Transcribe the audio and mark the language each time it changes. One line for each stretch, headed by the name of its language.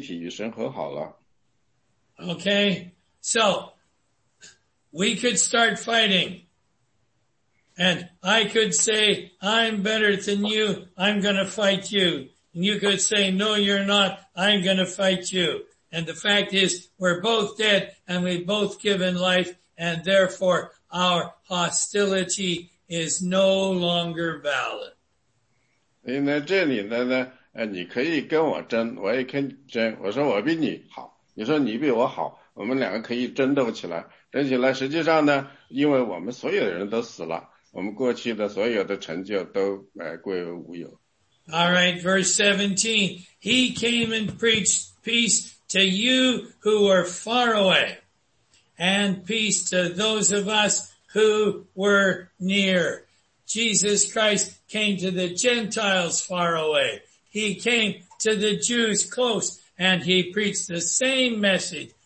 Chinese: 第十六节说,记在十字架上面的冤仇便及这十字架,使两下归为一体与神和好了。
English: Okay, so, we could start fighting. And I could say, I'm better than you, I'm gonna fight you. And you could say, no, you're not, I'm gonna fight you. And the fact is, we're both dead, and we've both given life, and therefore, our hostility is no longer valid.
Chinese: 因为在这里呢，你可以跟我争，我也肯争。我说我比你好，你说你比我好，我们两个可以争斗起来。争起来，实际上呢，因为我们所有的人都死了，我们过去的所有的成就都归于无有。
English: All right, verse 17. He came and preached peace to you who were far away, and peace to those of us who were near. Jesus Christ came to the Gentiles far away. He came to the Jews close, and he preached the same message.